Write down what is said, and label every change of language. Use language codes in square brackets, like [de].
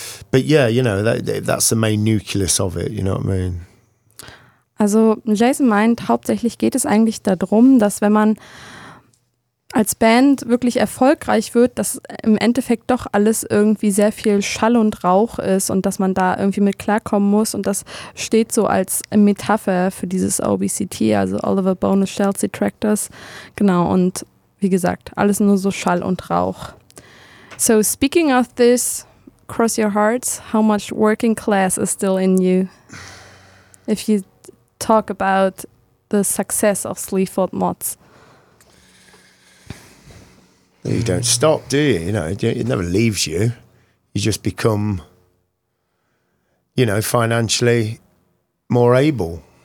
[en] That's the main nucleus of it, you know what I mean? [de] Also Jason meint, hauptsächlich geht es eigentlich darum, dass wenn man als Band wirklich erfolgreich wird, dass im Endeffekt doch alles irgendwie sehr viel Schall und Rauch ist und dass man da irgendwie mit klarkommen muss. Und das steht so als Metapher für dieses OBCT, also Oliver Bonus Chelsea Tractors. Genau, und wie gesagt, alles nur so Schall und Rauch. [en] So speaking of this, cross your hearts, how much working class is still in you? If you talk about the success of Sleaford Mods? You don't stop, do you? You know, it never leaves you. You just become, you know, financially more able.